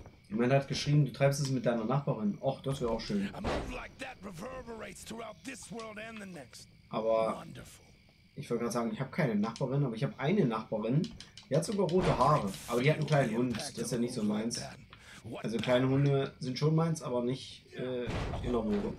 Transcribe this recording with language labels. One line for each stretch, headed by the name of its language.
German: Jemand hat geschrieben, du treibst es mit deiner Nachbarin. Och, das wäre auch schön.
English: A move like that reverberates throughout this world and the next.
German: Aber ich wollte gerade sagen, ich habe keine Nachbarin, aber ich habe eine Nachbarin. Die hat sogar rote Haare, aber die hat einen kleinen Hund. Das ist ja nicht so meins. Also kleine Hunde sind schon meins, aber nicht in der Wohnung.